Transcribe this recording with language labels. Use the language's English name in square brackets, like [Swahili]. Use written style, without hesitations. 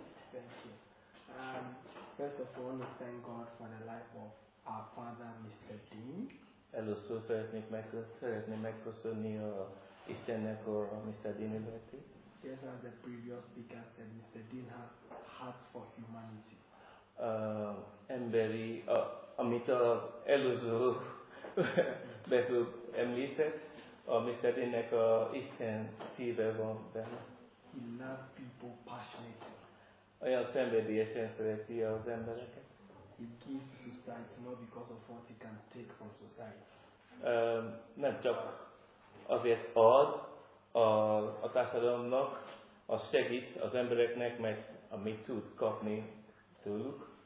[English] Thank you. First of all, I thank God for the life of our father, Mr. Dean. Hello, so [Hungarian] szeretnék megköszönni Istennek or Mr. Dean életét. [English] Just as the previous speaker said, Mr. Dean has heart for humanity. [Hungarian] Emberi, amit az előző beszélt említett, Mr. Deannek a Isten szíve van benne. [English] He loves people passionately. [Hungarian] Olyan szenvedélyesen szereti az embereket. [English] He gives to society not because of what he can take from society. [Hungarian] Nem csak azért ad, a társadalomnak, az segít az embereknek, mert amit tud kapni tőlük.